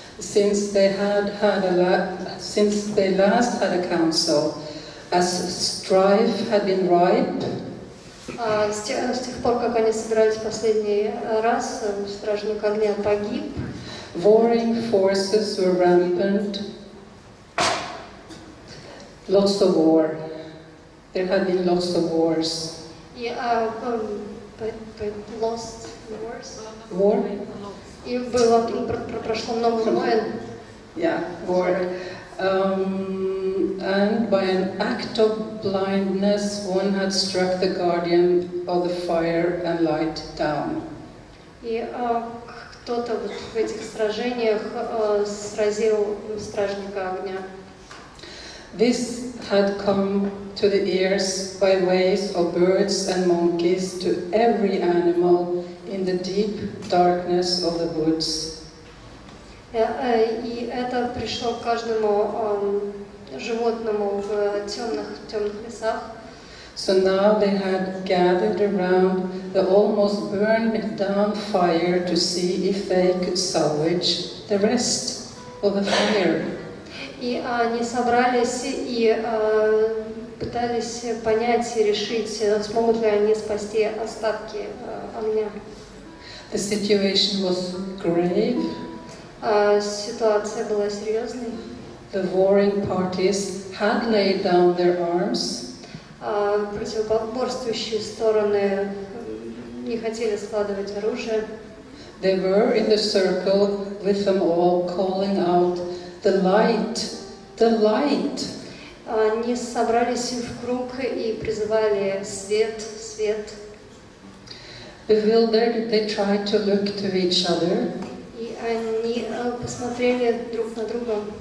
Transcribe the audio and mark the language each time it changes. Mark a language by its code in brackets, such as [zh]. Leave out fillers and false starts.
[en] Since they last had a council, as strife had been ripe. [ru] С тех пор, как они собирались последний раз, стражник огня погиб. [en] Warring forces were rampant. Lots of war. There had been lots of wars. Yeah, but lost wars? War? [ru] И было, прошло много войн. [en] Yeah, war. And by an act of blindness, one had struck the guardian of the fire and light down. [ru] И кто-то вот в этих сражениях сразил стражника огня. [en] This had come to the ears by ways of birds and monkeys to every animal in the deep darkness of the woods. [ru] И это пришло к каждому животному в темных лесах. [en] So now they had gathered around the almost burned down fire to see if they could salvage the rest of the fire. [ru] И они собрались и пытались понять и решить, смогут ли они спасти остатки огня. [en] The situation was grave. [ru] Ситуация была серьезной. [en] The warring parties had laid down their arms. [ru] Противоборствующие стороны не хотели складывать оружие. [en] They were in the circle with them all calling out, "The light, the light." [ru] Они собрались в круг и призывали свет, свет. [en] Bewildered, they tried to look to each other. [ru] Они посмотрели друг на друга.